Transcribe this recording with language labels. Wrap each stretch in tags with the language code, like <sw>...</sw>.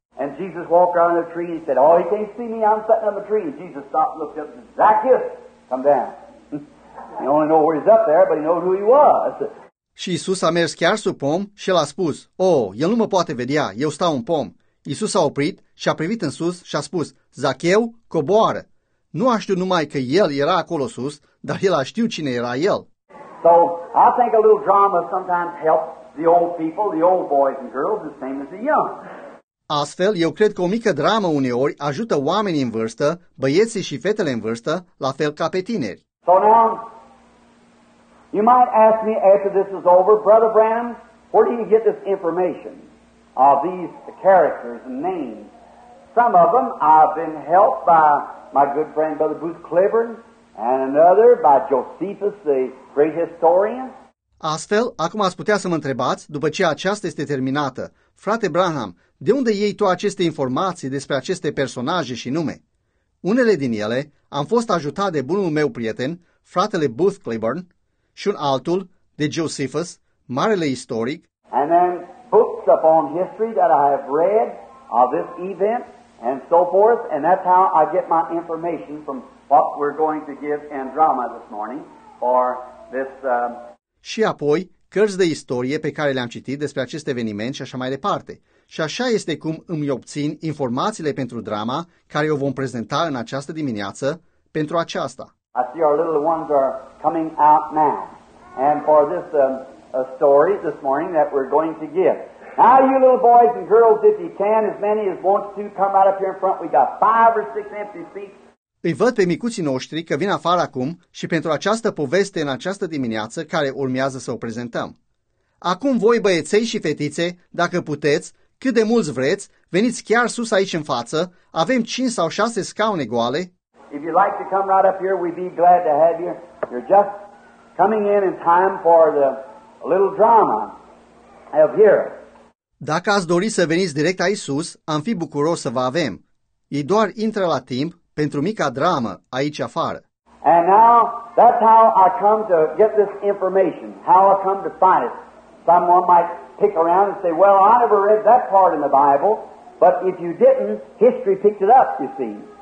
<en>And Jesus walked around the tree and said, oh, he can't see me, I'm sitting on the tree. And Jesus stopped and looked up and said, Zacchaeus, come down. He only knows where he's up there, but he knows who he was.</en> <ro>Și Iisus a mers chiar sub pom și el a spus, o, el nu mă poate vedea, eu stau în pom. Iisus a oprit și a privit în sus și a spus, Zacheu, coboară. Nu a știut numai că el era acolo sus, dar el a știut cine era el.</ro> <en>So, I think a little drama sometimes helps the old people, the old boys and girls, the same as the young.</en> <ro>Astfel, eu cred că o mică dramă uneori ajută oamenii în vârstă, băieții și fetele în vârstă, la fel ca pe tineri.</ro> <en>So now, you might ask me after this is over, Brother Branham, where do you get this information of these characters and names? Some of them I've been helped by my good friend Brother Booth Cliburn, and another by Josephus, the great historian.</en> <ro>Astfel, acum ați putea să mă întrebați, după ce aceasta este terminată, frate Branham, de unde iei tu aceste informații despre aceste personaje și nume? Unele din ele am fost ajutat de bunul meu prieten, fratele Booth Cliburn, și un altul de Josephus, marele istoric.</ro> <en>And then books upon history that I have read of this event and so forth, and that's how I get my information from what we're going to give in drama this morning for this.</en> <ro>Și apoi cărți de istorie pe care le-am citit despre acest eveniment și așa mai departe. Și așa este cum îmi obțin informațiile pentru drama care o vom prezenta în această dimineață pentru aceasta.</ro> <en>I see our little ones are coming out now. And for this story this morning that we're going to give. Now you little boys and girls, if you can, as many as want to, come out up here in front. We got 5 or 6 empty seats.</en> <ro>Îi văd pe micuții noștri că vin afară acum și pentru această poveste în această dimineață care urmează să o prezentăm. Acum voi, băieței și fetițe, dacă puteți, cât de mulți vreți, veniți chiar sus aici în față, avem 5 sau 6 scaune goale.</ro> <en>If you'd like to come right up here, we'd be glad to have you. You're just coming in time for the little drama up here.</en> <ro>Dacă ați dori să veniți direct aici sus, am fi bucuros să vă avem. Ei doar intră la timp pentru mica dramă aici afară.</ro> <en>And now, that's how I come to get this information, how I come to find it. Someone might pick around and say, well, I never read that part in the Bible, but if you didn't, history picked it up, you see.</en>